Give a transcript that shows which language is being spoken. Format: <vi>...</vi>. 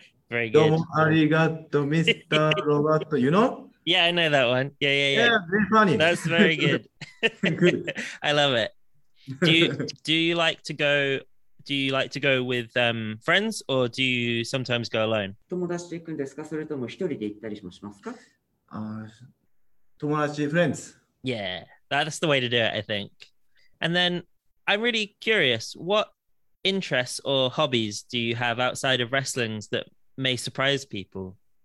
<en>Very good.</en> <ja>Domo arigato,</ja> <en>Mr. Robot. You know? Yeah, I know that one. Yeah, yeah, yeah. Yeah, very funny. That's very good. Good. I love it. Do you like to go? Do you like to go with friends, or do you sometimes go alone?</en> <ja>友達と行くんですか、それとも一人で行ったりしますか？友達</ja> <en>friends. Yeah, that's the way to do it, I think. And then I'm really curious, what interests or hobbies do you have outside of wrestling that may surprise people?</en>